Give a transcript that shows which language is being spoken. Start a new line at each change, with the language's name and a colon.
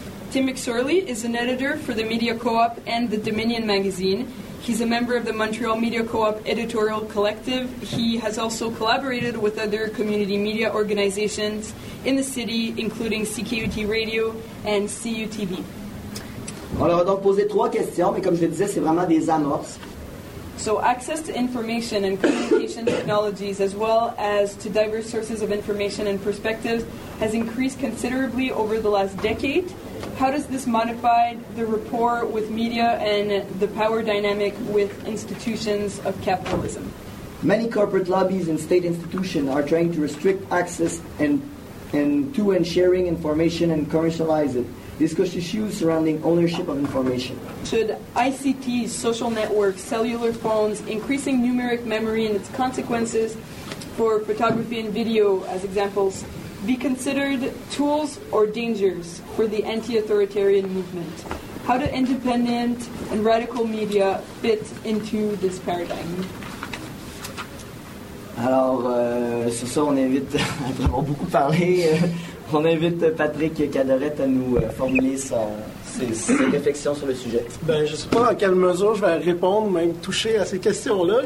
English: Tim McSorley is an editor for the Media Co-op and the Dominion magazine. He's a member of the Montreal Media Co-op editorial collective. He has also collaborated with other community media organizations in the city, including CKUT Radio and CUTV.
French: On leur a donc posé trois questions, mais comme je le disais, c'est vraiment des amorces.
English: So access to information and communication technologies, as well as to diverse sources of information and perspectives, has increased considerably over the last decade. How does this modify the rapport with media and the power dynamic with institutions of capitalism? Many corporate lobbies and state institutions are trying to restrict access and sharing information and commercialize it. Discuss issues surrounding ownership of information. Should ICTs, social networks, cellular phones, increasing numeric memory and its consequences for photography and video, as examples, be considered tools or dangers for the anti-authoritarian movement? How do independent and radical media fit into this paradigm?
French: Alors, sur ça, on invite à vraiment beaucoup parler. On invite Patrick Cadorette à nous formuler ses réflexions sur le sujet. Ben, je ne sais pas à quelle mesure je vais répondre, même toucher à ces questions-là.